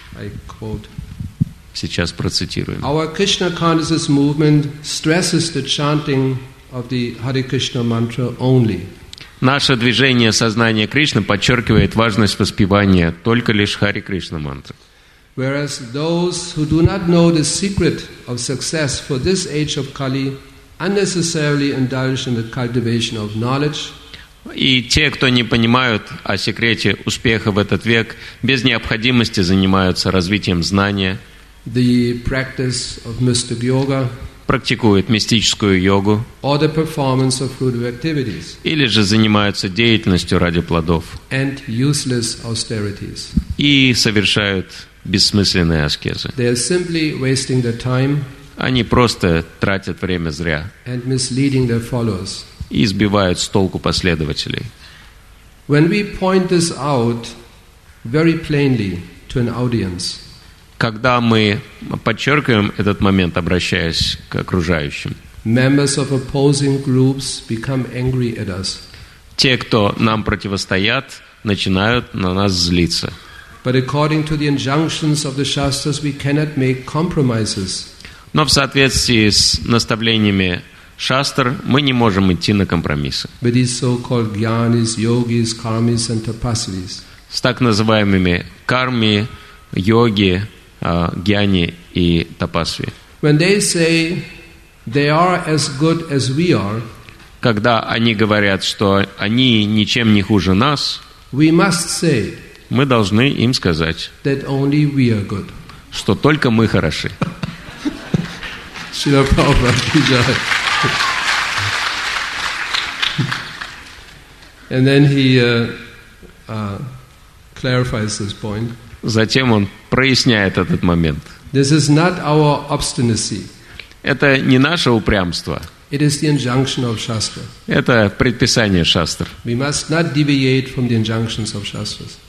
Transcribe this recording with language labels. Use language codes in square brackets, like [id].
[en] I quote. [ru] Сейчас процитируем. [en] Our Krishna consciousness movement stresses the chanting of the Hare Krishna mantra only. [ru] Наше движение сознания Кришны подчеркивает важность воспевания только лишь Хари Кришна мантры. [en] Whereas those who do not know the secret of success for this age of Kali unnecessarily indulge in the cultivation of knowledge. [ru] И те, кто не понимают о секрете успеха в этот век, без необходимости занимаются развитием знания. [en] The practice of mystic yoga. [ru] практикуют мистическую йогу [en] or the performance of fruitive activities, [ru] или же занимаются деятельностью ради плодов [en] and useless austerities. [ru] И совершают бессмысленные аскезы. [en] They are simply wasting their time. [ru] Они просто тратят время зря [en] and misleading their followers. [ru] И сбивают с толку последователей. [en] When we point this out very plainly to an audience, [ru] когда мы подчеркиваем этот момент, обращаясь к окружающим, [en] members of opposing groups become angry at us. [ru] Те, кто нам противостоят, начинают на нас злиться. [en] But according to the injunctions of the Shastras, we cannot make compromises. [ru] Но в соответствии с наставлениями Шастр, мы не можем идти на компромиссы. [en] With these so-called gyanis, yogis, karmis, and tapasvis. [ru] С так называемыми карми, йоги, гьяни и тапасви. [en] When they say they are as good as we are, [ru] когда они говорят, что они ничем не хуже нас, [en] we must say, [ru] мы должны им сказать, [en] that only we are good. [ru] Что только мы хороши. Шрила Прабхупада ки джай. [en] And then he clarifies this point. [ru] Затем он проясняет этот момент. [en] This is not our obstinacy. [ru] Это не наше упрямство. [en] It is the injunction of Shastra. [ru] Это предписание Шастр. [en] We must not deviate from the injunctions of Shastras.